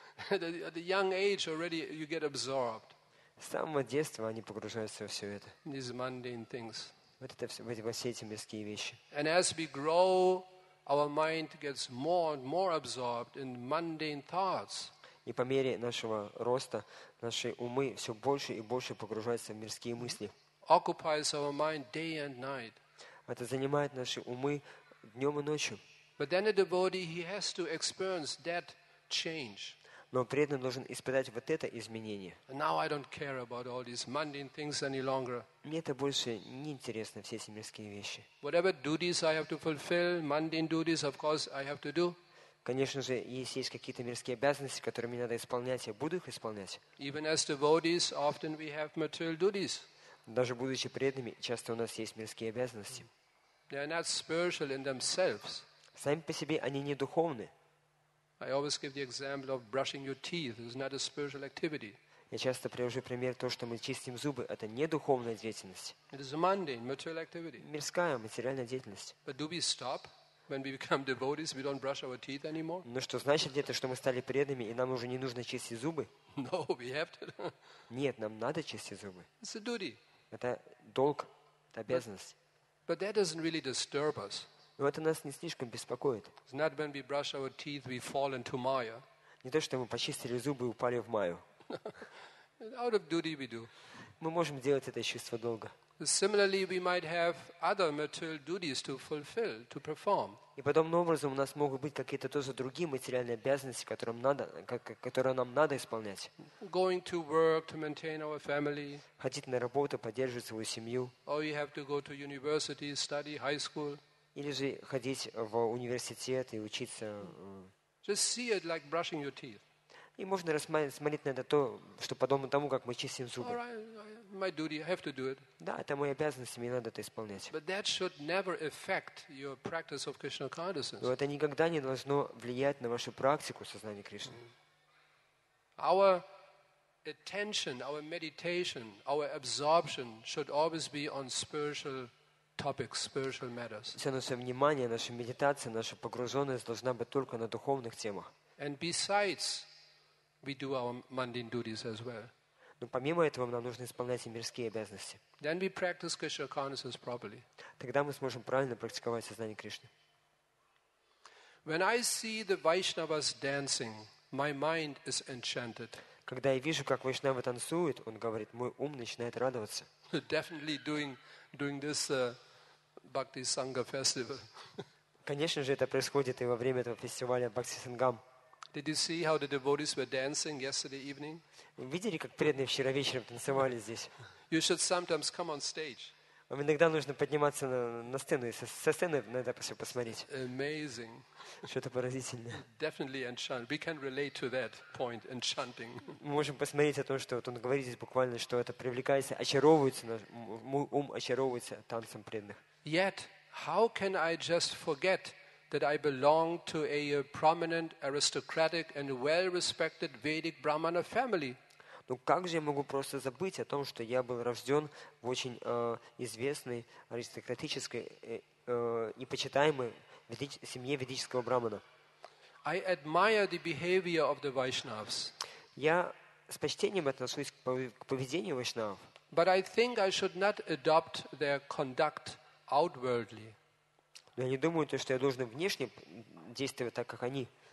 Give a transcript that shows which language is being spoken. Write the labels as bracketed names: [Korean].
[English] At a young age already you get absorbed. [Russian] С самого детства они погружаются во все это. [English] These mundane things. [Russian] Вот это все, во все эти мирские вещи. [English] And as we grow, our mind gets more and more absorbed in mundane thoughts. [Russian] И по мере нашего роста наши умы все больше и больше погружаются в мирские мысли. [English] Occupies our mind day and night. [Russian] Это занимает наши умы днем и ночью. [English] But then a devotee he has to experience that change. [Russian] Но преданный должен испытать вот это изменение. [English] Now I don't care about all these mundane things any longer. [Russian] Мне это больше не интересно, все эти мирские вещи. [English] Whatever duties I have to fulfill, mundane duties, of course, I have to do. [Russian] Конечно же, если есть какие-то мирские обязанности, которые мне надо исполнять, я буду их исполнять. [English] Even as devotees, often we have material duties. [Russian] Даже будучи преданными, часто у нас есть мирские обязанности. [English] They are not spiritual in themselves. [Russian] Сами по себе они не духовны. [English] I always give the example of brushing your teeth. It's not a spiritual activity. [Russian] Я часто привожу пример то, что мы чистим зубы, это не духовная деятельность. [English] It is a mundane material activity. [Russian] Мирская материальная деятельность. [English] But do we stop when we become devotees? We don't brush our teeth anymore? [Russian] Ну что значит это, что мы стали преданными и нам уже не нужно чистить зубы? [English] No, we have to. [Russian] Нет, нам надо чистить зубы. [English] It's a duty. [Russian] Это долг, это обязанность. [English] But that doesn't really disturb us. [Russian] Но это нас не слишком беспокоит. [English] It's not when we brush our teeth, we fall into Maya. [Russian] Не то, что мы почистили зубы и упали в Маю. [English] Out of duty we do. [Russian] Мы можем делать это из чувства долга. [English] Similarly, we might have other material duties to fulfill, to perform. [Russian] И подобным образом у нас могут быть какие-то тоже другие материальные обязанности, которые нам надо исполнять. [English] Going to work to maintain our family. [Russian] Ходить на работу, поддерживать свою семью. [English] Or you have to go to university, study high school. [Russian] Или же ходить в университет и учиться. [English] Just see it like brushing your teeth. [Russian] И можно смотреть на это то, что подобно тому, как мы чистим зубы. [English] Right, duty, [Russian] да, это моя обязанность, мне надо это исполнять. Но это никогда не должно влиять на вашу практику сознания Кришны. [English] Our attention, our meditation, our absorption should always be on spiritual topics, spiritual matters. [Russian] Все наше внимание, наша медитация, наша погруженность должна быть только на духовных темах. [English] And besides, we do our mundane duties as well. [Russian] Но помимо этого, нам нужно исполнять и мирские обязанности. [English] Then we practice Krishna consciousness properly. [Russian] Тогда мы сможем правильно практиковать сознание Кришны. [English] When I see the Vaishnavas dancing, my mind is enchanted. [Russian] Когда я вижу, как Вайшнава танцует, он говорит, мой ум начинает радоваться. [English] Definitely during this Bhakti Sangha festival. [Russian] Конечно же, это происходит и во время этого фестиваля Бхакти Сангам. [English] Did you see how the devotees were dancing yesterday evening? [Russian] Видели, как преданные вчера вечером танцевали здесь? [English] You should sometimes come on stage. [Russian] Вам иногда нужно подниматься на сцену и со сцены надо все посмотреть. [English] Amazing. [Russian] Что-то поразительное. [English] Definitely enchant. We can relate to that point, enchanting. [Russian] Мы можем посмотреть о том, что вот он говорит здесь буквально, что это привлекается, очаровывается, мой ум очаровывается танцем преданных. [English] Yet, how can I just forget that I belong to a prominent, aristocratic and well-respected Vedic Brahmana family? [Russian] Ну как же я могу просто забыть о том, что я был рожден в очень известной, аристократической и почитаемой семье ведического брахмана. [English] I admire the behavior of the Vaishnavas. [Russian] Я с почтением отношусь к поведению вайшнав. [English] But I think I should not adopt their conduct outwardly. [Russian] Но я не думаю, что я должен внешне действовать так, как они.